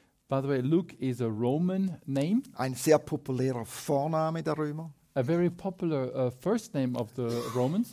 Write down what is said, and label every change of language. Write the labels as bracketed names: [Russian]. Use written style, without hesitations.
[English] By the way, Luke is a Roman name. [German] Ein sehr populärer Vorname der Römer. [English] A very popular first name of the Romans.